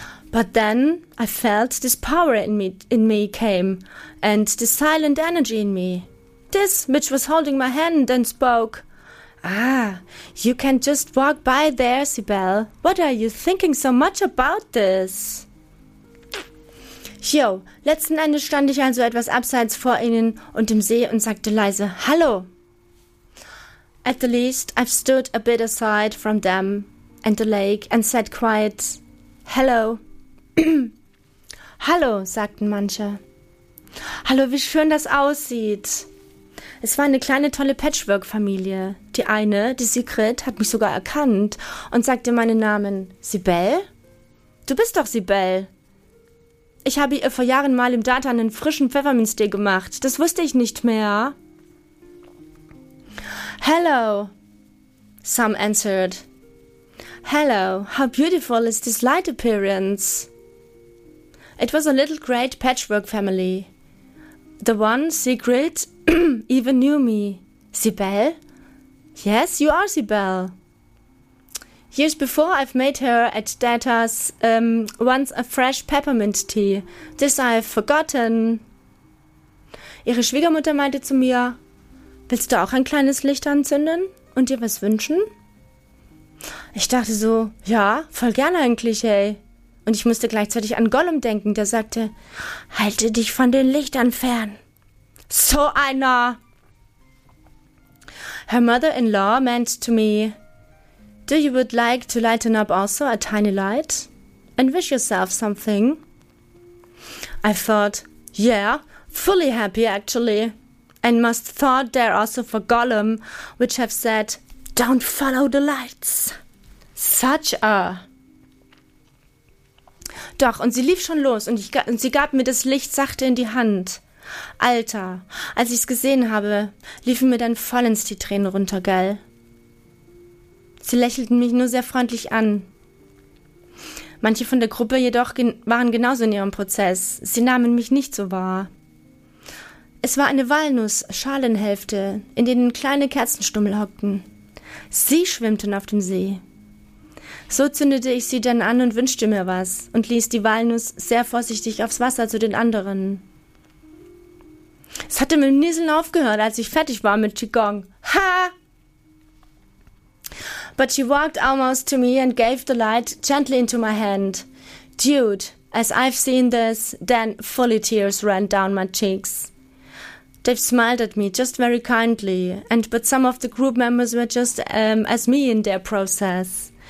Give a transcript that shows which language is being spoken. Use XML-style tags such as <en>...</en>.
<en>But then I felt this power in me came and this silent energy in me. This which was holding my hand and spoke. Ah, you can just walk by there, Sibel. What are you thinking so much about this?</en> <de>Jo, letzten Endes stand ich also etwas abseits vor ihnen und dem See und sagte leise, Hallo.</de> <en>At the least, I've stood a bit aside from them and the lake and said quiet, Hello.</en> <de>Hallo, sagten manche. Hallo, wie schön das aussieht. Es war eine kleine, tolle Patchwork-Familie. Die eine, die Sigrid, hat mich sogar erkannt und sagte meinen Namen. Sibel? Du bist doch Sibel. Ich habe ihr vor Jahren mal im Data einen frischen Pfefferminztee gemacht. Das wusste ich nicht mehr.</de> <en>Hello, some answered. Hello, how beautiful is this light appearance? It was a little great Patchwork-Family. The one, Sigrid, even knew me. Sibel? Yes, you are Sibel. Years before, I've made her at Data's once a fresh peppermint tea. This I've forgotten.</en> <de>Ihre Schwiegermutter meinte zu mir, willst du auch ein kleines Licht anzünden und dir was wünschen? Ich dachte so, ja, voll gern eigentlich, ey. Und ich musste gleichzeitig an Gollum denken, der sagte, halte dich von den Lichtern fern. So einer!</de> <en>Her mother-in-law meant to me, do you would like to lighten up also a tiny light and wish yourself something? I thought, yeah, fully happy actually, and must thought there also for Gollum, which have said, don't follow the lights. Such a...</en> <de>Doch, und sie lief schon los und sie gab mir das Licht sachte in die Hand. Alter, als ich's gesehen habe, liefen mir dann vollends die Tränen runter, gell? Sie lächelten mich nur sehr freundlich an. Manche von der Gruppe jedoch waren genauso in ihrem Prozess. Sie nahmen mich nicht so wahr. Es war eine Walnuss-Schalenhälfte, in denen kleine Kerzenstummel hockten. Sie schwimmten auf dem See. So zündete ich sie dann an und wünschte mir was und ließ die Walnuss sehr vorsichtig aufs Wasser zu den anderen. Es hatte mit dem Nieseln aufgehört, als ich fertig war mit Qigong. Ha!</de> <en>But she walked almost to me and gave the light gently into my hand. Dude, as I've seen this, then fully tears ran down my cheeks. They've smiled at me just very kindly, and but some of the group members were just as me in their process.</en>